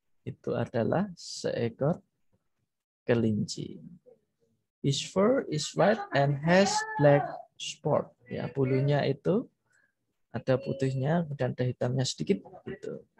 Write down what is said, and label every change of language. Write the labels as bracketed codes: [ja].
[id] Itu adalah seekor kelinci. [en] His fur is white and has black spot. [id] Ya, bulunya itu ada putihnya dan ada hitamnya sedikit. Gitu.